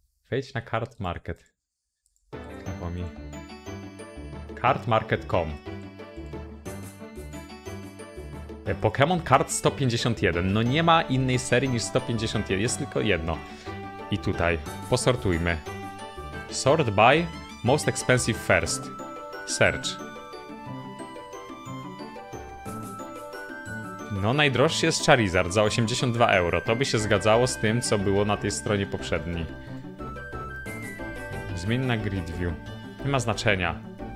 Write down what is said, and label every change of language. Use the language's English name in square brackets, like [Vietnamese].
[Polish] Wejdź na Card Market. Cardmarket.com. Pokémon Card 151. No nie ma innej serii niż 151. Jest tylko jedno. I tutaj. Posortujmy. [English] Sort by most expensive first. Search. [Polish] No najdroższy jest Charizard za 82 euro. To by się zgadzało z tym, co było na tej stronie poprzedniej. Zmień na grid view. Nie ma znaczenia.